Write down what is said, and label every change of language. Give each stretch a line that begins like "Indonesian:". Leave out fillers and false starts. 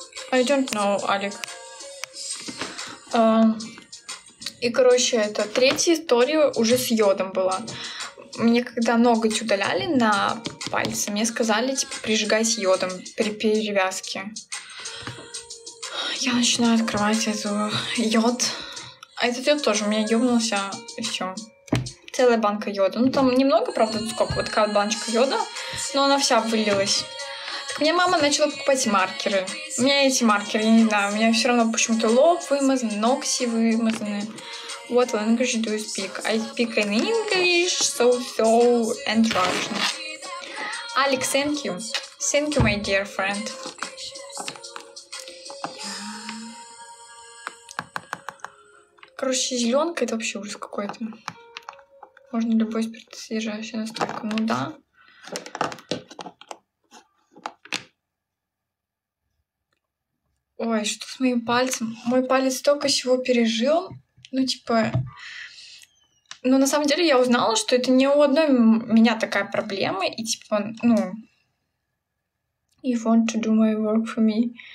English: I don't know, Алик.
Russian: И, короче, это третья история уже с йодом была. Мне когда ноготь удаляли на пальце, мне сказали, типа, прижигать йодом при перевязке. Я начинаю открывать эту йод. А этот йод тоже у меня ёбнулся, и все. Целая банка йода. Ну, там немного, правда, сколько? Вот такая баночка йода, но она вся вылилась. Мне мама начала покупать маркеры. У меня эти маркеры, я не знаю, у меня все равно почему-то лоб вымазан, ногти вымазаны.
English: What language do you speak? I speak in English, so-so and Russian. Alex, thank you. Thank you, my dear friend.
Russian: Короче, зеленка это вообще ужас какой-то. Можно любой спирт содержащий настолько. Ну да. Ой, что с моим пальцем? Мой палец столько всего пережил. Ну, типа... Но на самом деле я узнала, что это не у одной меня такая проблема. И типа, ну...
English: You want to do my work for me?